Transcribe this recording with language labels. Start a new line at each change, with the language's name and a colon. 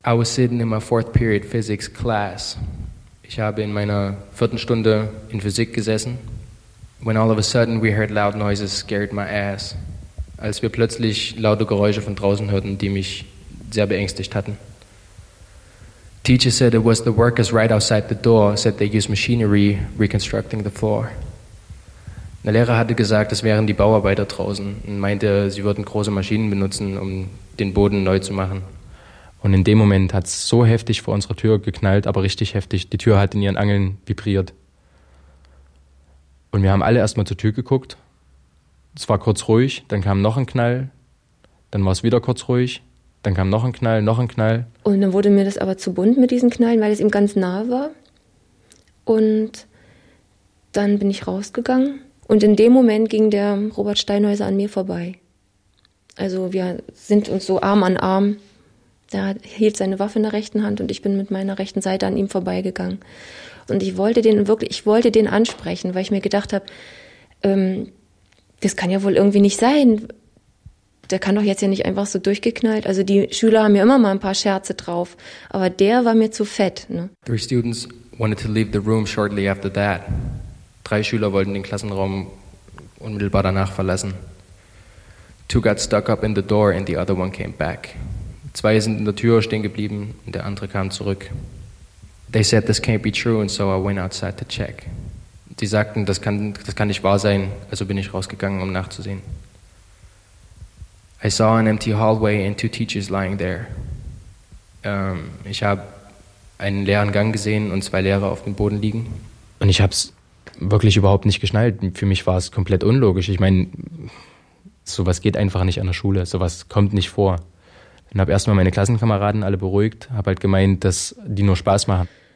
English: I was sitting in my 4th period physics class.
German: Ich habe in meiner 4. Stunde in Physik gesessen.
English: When all of a sudden we heard loud noises, scared my ass.
German: Als wir plötzlich laute Geräusche von draußen hörten, die mich sehr beängstigt hatten.
English: Teacher said it was the workers right outside the door, said they use machinery reconstructing the floor.
German: Der Lehrer hatte gesagt, es wären die Bauarbeiter draußen und meinte, sie würden große Maschinen benutzen, um den Boden neu zu machen. Und in dem Moment hat es so heftig vor unserer Tür geknallt, aber richtig heftig. Die Tür hat in ihren Angeln vibriert. Und wir haben alle erstmal zur Tür geguckt. Es war kurz ruhig, dann kam noch ein Knall, dann war es wieder kurz ruhig, dann kam noch ein Knall, noch ein Knall. Und dann wurde mir das aber zu bunt mit diesen Knallen, weil es ihm ganz nahe war. Und dann bin ich rausgegangen und in dem Moment ging der Robert Steinhäuser an mir vorbei. Also wir sind uns so Arm an Arm. Er hielt seine Waffe in der rechten Hand und ich bin mit meiner rechten Seite an ihm vorbeigegangen. Und ich wollte den ansprechen, weil ich mir gedacht habe, das kann ja wohl irgendwie nicht sein. Der kann doch jetzt ja nicht einfach so durchgeknallt. Also die Schüler haben ja immer mal ein paar Scherze drauf. Aber der war mir zu fett. Ne?
English: 3 students wanted to leave the room shortly after that.
German: 3 Schüler wollten den Klassenraum unmittelbar danach verlassen.
English: 2 got stuck up in the door and the other one came back.
German: 2 sind in der Tür stehen geblieben und der andere kam zurück.
English: They said this can't be true and so I went outside to check.
German: Die sagten, das kann nicht wahr sein, also bin ich rausgegangen, um nachzusehen.
English: I saw an empty hallway and 2 teachers lying there.
German: Ich habe einen leeren Gang gesehen und 2 Lehrer auf dem Boden liegen. Und ich habe es wirklich überhaupt nicht geschnallt. Für mich war es komplett unlogisch. Ich meine, sowas geht einfach nicht an der Schule. Sowas kommt nicht vor. Dann habe erstmal meine Klassenkameraden alle beruhigt, habe halt gemeint, dass die nur Spaß machen.